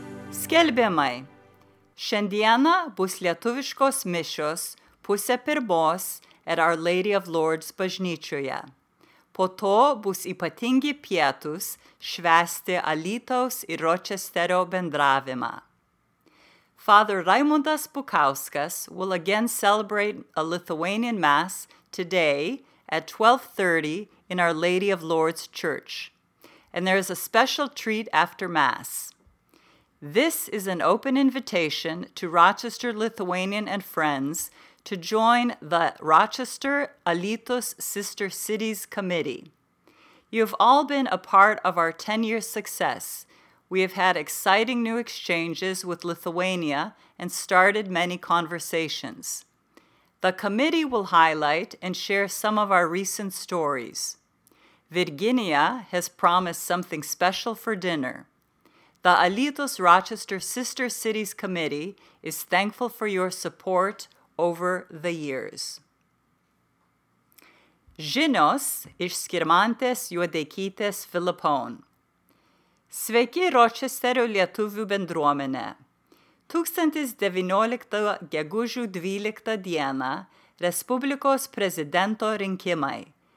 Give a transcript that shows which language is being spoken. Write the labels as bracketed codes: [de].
[lt] Skelbiamai. Šiandieną bus lietuviškos mišios pusę pirmos at Our Lady of Lourdes bažnyčioje. Po to bus ypatingi pietus švęsti Alytaus ir Rochesterio bendravimą. [en] Father Raimundas Bukauskas will again celebrate a Lithuanian Mass today at 12:30 in Our Lady of Lourdes Church, and there is a special treat after Mass. This is an open invitation to Rochester, Lithuanian and friends to join the Rochester Alytus Sister Cities Committee. You have all been a part of our 10-year success. We have had exciting new exchanges with Lithuania and started many conversations. The committee will highlight and share some of our recent stories. Virginia has promised something special for dinner. The Alytus Rochester Sister Cities Committee is thankful for your support over the years. [lt] Žinios iš Skirmantės Juodeikytės Filipon. Sveiki Rochesterio lietuvių bendruomenė. 2019 gegužių 12 dieną Respublikos prezidento rinkimai.